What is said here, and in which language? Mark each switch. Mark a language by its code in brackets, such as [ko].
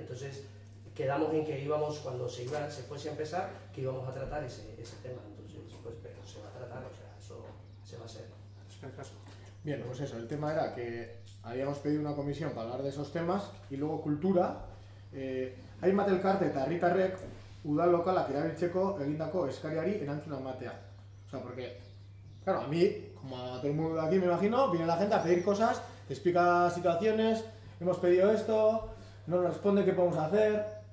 [es] Entonces quedamos en que íbamos, cuando se fuese a empezar, que íbamos a tratar ese tema. Entonces, pues, pero se va a tratar, o sea, eso se va a hacer. Bien, pues eso, el tema era que habíamos pedido una comisión para hablar de esos temas y luego cultura. [eu] Hainbat elkarte eta herritarrek udal lokalak erabiltzeko egindako eskariari erantzuna ematea. [es] O sea, porque, claro, a mí, como a todo el mundo de aquí, me imagino, viene la gente a pedir cosas, te explica situaciones, hemos pedido esto, no nos responde, ¿qué podemos hacer?